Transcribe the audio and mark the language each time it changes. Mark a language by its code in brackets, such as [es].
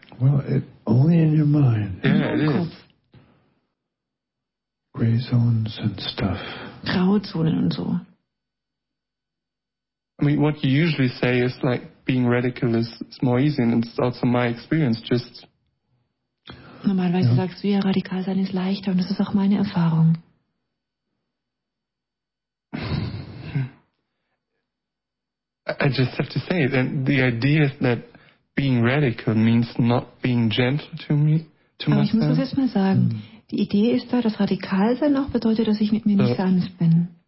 [en] Well, it only in your mind. Yeah, it is. Gray zones and stuff. [de] Grauzonen und so. [en] I mean, what you usually say is like being radical is more easy, and it's also my experience. Just [de] normalerweise sagst du ja, radikal sein ist leichter, und das ist auch meine Erfahrung. [en] I just have to say it, and the idea is that being radical means not being gentle to me. [de] Aber ich muss das jetzt mal sagen. Die Idee ist da, dass radikal sein auch bedeutet, dass ich mit mir nicht sanft bin.